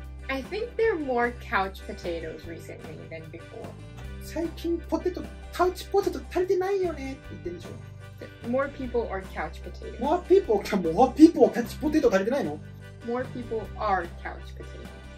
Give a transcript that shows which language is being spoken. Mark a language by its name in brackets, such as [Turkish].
[English] I think there are more couch potatoes recently than before. [Japanese] 最近ポテト、カウチポテト足りてないよねって言ってるでしょ。 [English] More people are couch potatoes. More people [Japanese] か、 [English] more people [Japanese] カウチポテト足りてないの？ [English] More people are couch potatoes.